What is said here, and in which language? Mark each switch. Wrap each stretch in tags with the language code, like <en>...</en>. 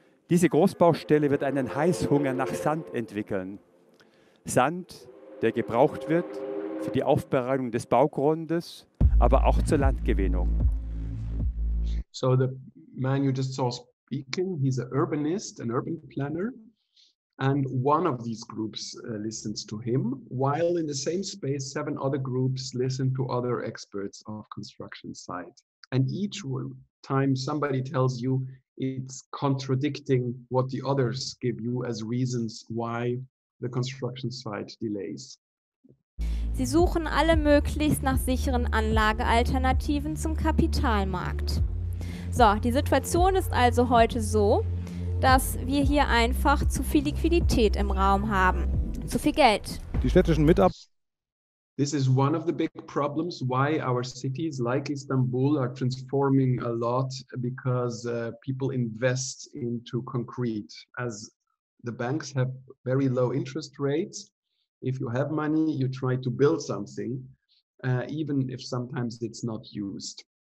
<de>Diese Großbaustelle wird einen Heißhunger nach Sand entwickeln. Sand, der gebraucht wird für die Aufbereitung des Baugrundes, aber auch zur Landgewinnung.</de> <en>So the man you just saw speaking, he's an urbanist, an urban planner, and one of these groups listens to him, while in the same space 7 other groups listen to other experts of construction site. And each time somebody tells you, it's contradicting what the others give you as reasons why the construction site delays.</en> <de>Sie suchen alle möglichst nach sicheren Anlagealternativen zum Kapitalmarkt. So, die Situation ist also heute so, dass wir hier einfach zu viel Liquidität im Raum haben. Zu viel Geld. Die städtischen</de> <en>This is one of the big problems why our cities like Istanbul are transforming a lot, because people invest into concrete. As the banks have very low interest rates, if you have money, you try to build something, even if sometimes it's not used.</en>